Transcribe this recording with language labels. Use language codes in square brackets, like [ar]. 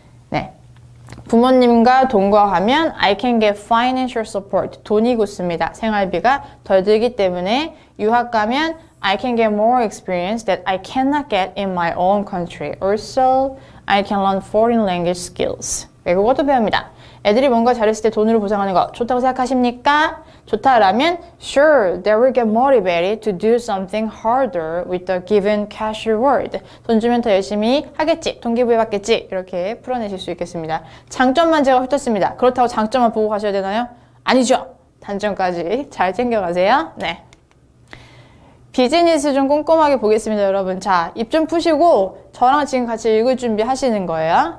[ko] 네, 부모님과 동거하면 [en] I can get financial support. [ko] 돈이 굳습니다. 생활비가 덜 들기 때문에. 유학 가면 [en] I can get more experience that I cannot get in my own country. Also, I can learn foreign language skills. [ko] 외국어도 배웁니다. 애들이 뭔가 잘했을 때 돈으로 보상하는 거 좋다고 생각하십니까? 좋다라면 [en] Sure, they will get motivated to do something harder with the given cash reward. [ko] 돈 주면 더 열심히 하겠지, 동기부여받겠지, 이렇게 풀어내실 수 있겠습니다. 장점만 제가 훑었습니다. 그렇다고 장점만 보고 가셔야 되나요? 아니죠. 단점까지 잘 챙겨가세요. 네, 비즈니스 좀 꼼꼼하게 보겠습니다, 여러분. 자, 입 좀 푸시고 저랑 지금 같이 읽을 준비 하시는 거예요.